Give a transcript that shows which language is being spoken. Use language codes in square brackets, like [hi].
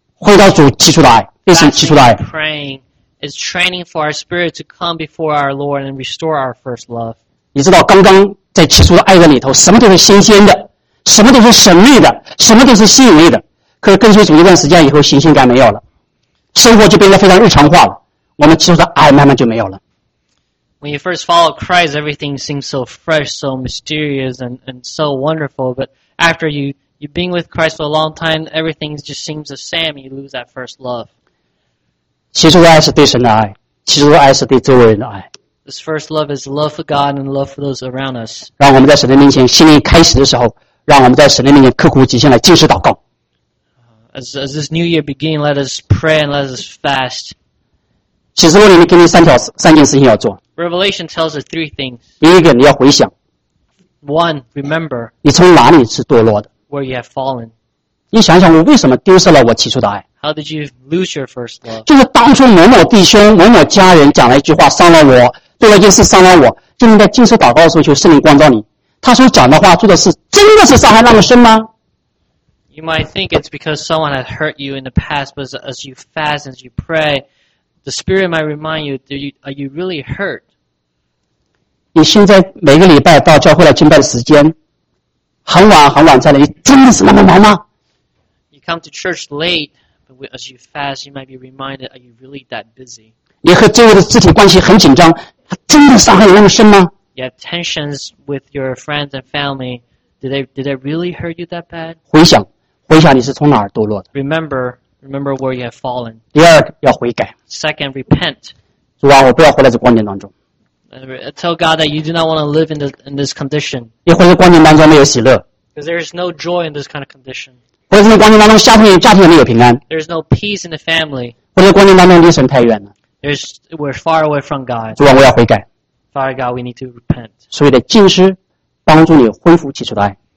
[zh] 进食祷告是操练我们回到主起初的爱，变成起初的爱。 [en] Praying is training for our spirit to come before our Lord and restore our first love. [zh] 你知道，刚刚在起初的爱的里头，什么都是新鲜的，什么都是神秘的，什么都是吸引力的。可是跟随主一段时间以后，新鲜感没有了，生活就变得非常日常化了。我们起初的爱慢慢就没有了。 [en] When you first follow Christ, everything seems so fresh, so mysterious, and so wonderful. But after you've been with Christ for a long time, everything just seems the same. You lose that first love. [zh] 起初的爱是对神的爱，起初的爱是对周围人的爱。 [en] This first love is love for God and love for those around us. [zh] 让我们在神的面前新年开始的时候，让我们在神的面前刻苦己心来进食祷告。 [en] As this new year begins, let us pray and let us fast. [zh] 启示录里面给你三件事情要做。 [en] Revelation tells us three things. [zh] 第一个，你要回想。 [en] One, remember. [zh] 你从哪里是堕落的 [en] ？Where you have fallen. [zh] 你想想，我为什么丢失了我起初的爱 [en] ？How did you lose your first love? [zh] 就是当初某某弟兄、某某家人讲了一句话，伤了我，做了一件事伤了我，就应该进食祷告的时候求圣灵光照你。他所讲的话、做的事，真的是伤害那么深吗？ [en] You might think it's because someone had hurt you in the past, but as you fast, as you pray. The Spirit might remind you, are you really hurt? [zh] 你现在每个礼拜到教会来敬拜的时间，很晚很晚再来，真的是那么难吗？ [en] You come to church late, but as you fast, you might be reminded, are you really that busy? [zh] 你和周围的肢体关系很紧张，真的伤害有那么深吗？ [en] You have tensions with your friends and family, did they really hurt you that bad? [zh] 回想，回想你是从哪儿堕落的。 [en] Remember where you have fallen. [zh] 第二个要悔改。 [en] Second, repent. [zh] 主啊，我不要活在这光景当中。 [en] Tell God that you do not want to live in this condition. [zh] 也或者光景当中没有喜乐。 [en] Because there is no joy in this kind of condition. [zh] 或者在光景当中家庭也没有平安。 [en] There is no peace in the family. [zh] 或者光景当中离神太远了。 [en] We're far away from God. [zh] 主啊，我要悔改。 [en] Father God, we need to repent. [zh] 所以的禁食帮助你恢复起初的爱。